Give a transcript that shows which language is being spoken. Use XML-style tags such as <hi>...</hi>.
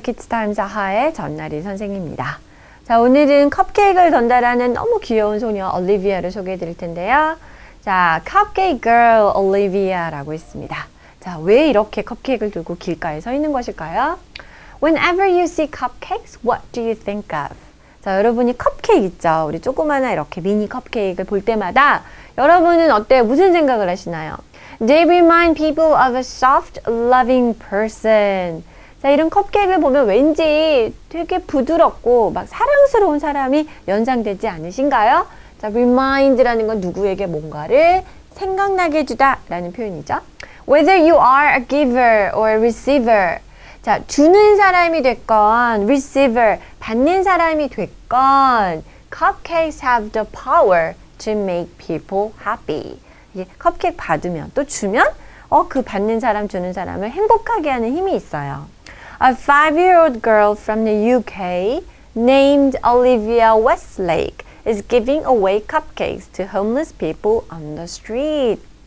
<ko>키즈타임즈 하의 전나리 선생님입니다. 자, 오늘은 컵케이크를 전달하는 너무 귀여운 소녀 올리비아를 소개해 드릴 텐데요. 자, Cupcake Girl Olivia라고 있습니다. 자, 왜 이렇게 컵케이크를 들고 길가에 서 있는 것일까요?</ko> <en>Whenever you see cupcakes, what do you think of?</en> <ko>자, 여러분이 컵케이크 있죠? 우리 조그마한 이렇게 미니 컵케이크를 볼 때마다 여러분은 어때요? 무슨 생각을 하시나요?</ko> <en>They remind people of a soft, loving person.</en> <ko>자, 이런 컵케이크를 보면 왠지 되게 부드럽고 막 사랑스러운 사람이 연상되지 않으신가요? 자, remind라는 건 누구에게 뭔가를 생각나게 해주다라는 표현이죠.</ko> <en>Whether you are a giver or a receiver.</en> <ko>자, 주는 사람이 됐건,</ko> <en>receiver, 받는 사람이 됐건, cupcakes have the power to make people happy.</en> <ko>컵케이크 받으면 또 주면 그 받는 사람 주는 사람을 행복하게 하는 힘이 있어요.</ko> <en>A five-year-old girl from the UK named Olivia Westlake is giving away cupcakes to homeless people on the street.</en>